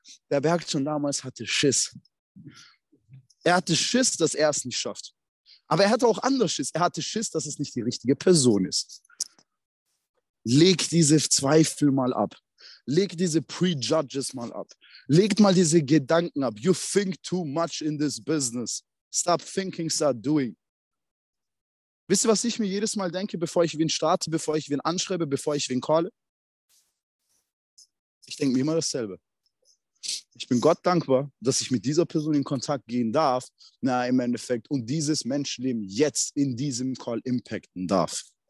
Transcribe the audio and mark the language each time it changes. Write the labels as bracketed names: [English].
[German] Der Berg schon damals hatte Schiss. Er hatte Schiss, dass er es nicht schafft. Aber er hatte auch anders Schiss. Er hatte Schiss, dass es nicht die richtige Person ist. Leg diese Zweifel mal ab. Leg diese Prejudges mal ab. Legt mal diese Gedanken ab. [English] You think too much in this business. Stop thinking, start doing. [German] Wisst ihr, was ich mir jedes Mal denke, bevor ich wen starte, bevor ich wen anschreibe, bevor ich wen calle? Ich denke mir immer dasselbe. Ich bin Gott dankbar, dass ich mit dieser Person in Kontakt gehen darf. Na, im Endeffekt. Und dieses Menschenleben jetzt in diesem Call impacten darf.